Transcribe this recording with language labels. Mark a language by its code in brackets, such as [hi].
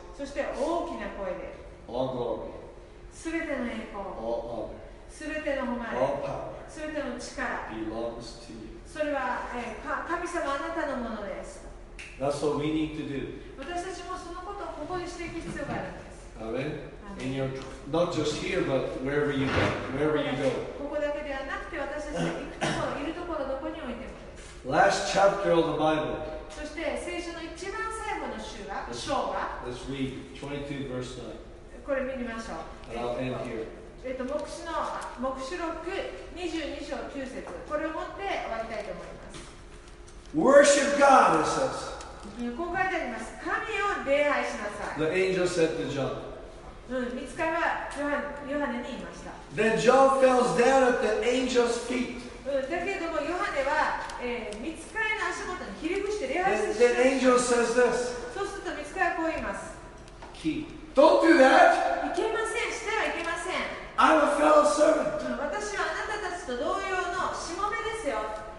[ja] そして大きな声で。 [en] All glory. [ja] すべての栄光。 [en] All honor. [ja] すべての誉れ。 [en] All power. [ja] すべての力。 [en] Belongs to you. [ja] それは、神様あなたのものです。 [en] That's what we need to do. [ja] 私たちもそのことをここにしていく必要があるんです。アメン。 [en] In your, not just here, but wherever you go, wherever you go. [ja] ここだけではなくて、私たちが行くところ、いるところ、どこに置いてもです。 [en] Last chapter of the Bible. [ja] そして聖書の一番最後の章は、 [en] Let's read 22 verse 9. [ja] これ見ましょう。 [en] And I'll end here. [ja] 黙示録22章9節。これを持って終わりたいと思います。 [en] Worship God, it says. [ja] こう書いてあります。神を礼拝しなさい。 [en] The angel said to John. [ja] 御使いはヨハネに言いました。 [en] Then John fell down at the angel's feet. [ja] だけれども、ヨハネは、御使いの足元にひれ伏して礼拝して。 [en] Then the angel says this. [ja] そうすると御使いはこう言います。 [en] Key. Don't do that. [ja] いけません。してはいけません。 [en] I'm a fellow servant. [ja] 私はあなたたちと同様のしもべですよ。